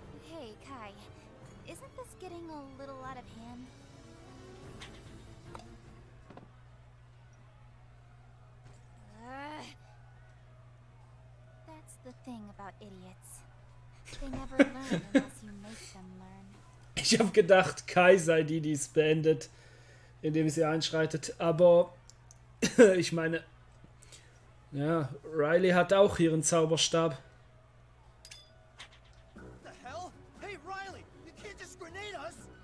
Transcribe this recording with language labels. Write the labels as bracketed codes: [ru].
[en] Hey, Kai, isn't this getting a little out of hand? That's the thing about idiots. They never learn unless you make them learn. [de] Ich hab gedacht, Kai sei die, die es beendet, indem sie einschreitet. Aber ich meine. Ja, Riley hat auch ihren Zauberstab. [en] The hell? Hey Riley, you can't just grenade us!